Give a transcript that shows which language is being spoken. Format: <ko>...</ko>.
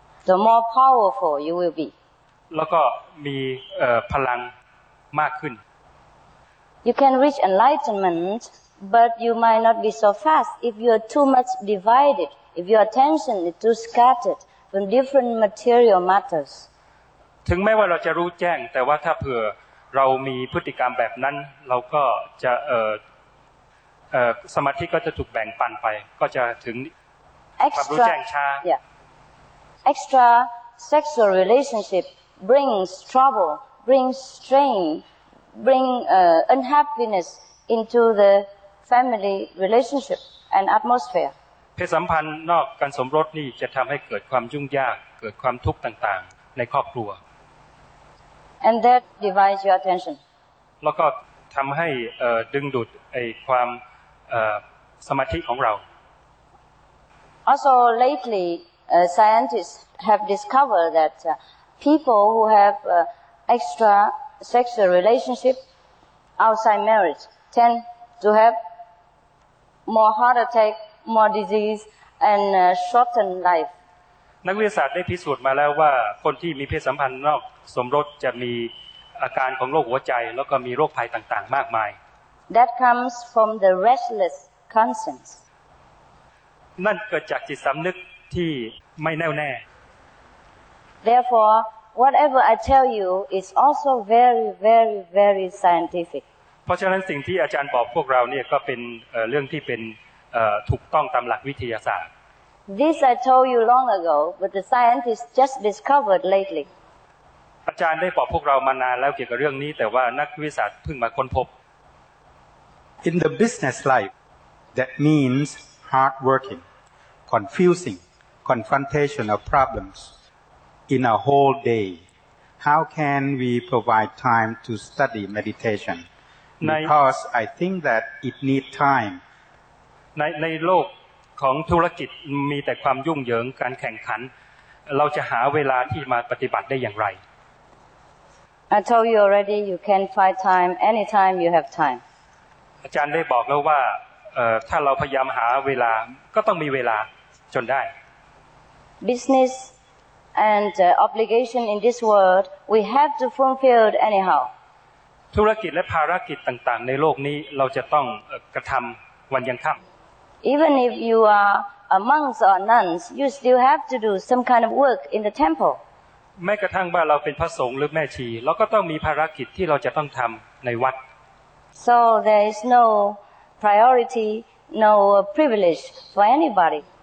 <en>The more powerful you will be.</en> <th>แล้วก็มีพลังมากขึ้น</th> <en>You can reach enlightenment, but you might not be so fast if you are too much divided, if your attention is too scattered from different material matters.</en> <th>ถึงแม้ว่าเราจะรู้แจ้งแต่ว่าถ้าเผื่อเรามีพฤติกรรมแบบนั้นเราก็จะสมาธิก็จะถูกแบ่งปันไปก็จะถึง</th> <en>extra,</en> <th>ความรู้แจ้งช้า</th> <en>yeah. Extra sexual relationship brings trouble, brings strain, bring unhappiness into the family relationship and atmosphere.</en> <th>เพศสัมพันธ์นอกการสมรสนี่จะทำให้เกิดความยุ่งยากเกิดความทุกข์ต่างๆในครอบครัว</th> <en>And that divides your attention.</en> <th>แล้วก็ทำให้ดึงดูดไอ้ความสมาธิของเรา</th> <en>Also lately scientists have discovered that people who have extra sexual relationship outside marriage tend to have more heart attack more disease and shorten life</en> <th>นักวิทยาศาสตร์ได้พิสูจน์มาแล้วว่าคนที่มีเพศสัมพันธ์นอกสมรสจะมีอาการของโรคหัวใจแล้วก็มีโรคภัยต่างๆมากมาย</th> <en>That comes from the restless conscience.</en> <th>นั่นเกิดจากจิตสำนึกที่ไม่แน่วแน่</th> <en>Therefore whatever I tell you is also very very very scientific</en> <th>เพราะฉะนั้นสิ่งที่อาจารย์บอกพวกเราเนี่ยก็เป็นเรื่องที่เป็นถูกต้องตามหลักวิทยาศาสตร์</th> <en>This I told you long ago but the scientists just discovered lately</en> <th>อาจารย์ได้บอกพวกเรามานานแล้วเกี่ยวกับเรื่องนี้แต่ว่านักวิทยาศาสตร์เพิ่งมาค้นพบ</th> <en>In the business life that means hard working confusing confrontation of problems in a whole day how can we provide time to study meditation because I think that it need time</en> <th>ในโลกของธุรกิจมีแต่ความยุ่งเหยิงการแข่งขันเราจะหาเวลาที่มาปฏิบัติได้อย่างไร</th> <en>I told you already you can find time anytime you have time.</en> <th>อาจารย์ได้บอกแล้วว่าถ้าเราพยายามหาเวลาก็ต้องมีเวลาจนได้</th> <en>Business and obligation in this world we have to fulfill anyhow.</en> <th>ธุรกิจและภารกิจต่างๆในโลกนี้เราจะต้องกระทำวันยังค่ำ</th> <en>Even if you are a monks or nuns you still have to do some kind of work in the temple.</en> <th>แม้กระทั่งว่าเราเป็นพระสงฆ์หรือแม่ชีเราก็ต้องมีภารกิจที่เราจะต้องทำในวัด</th> <en>So there is no priority no privilege for anybody</en>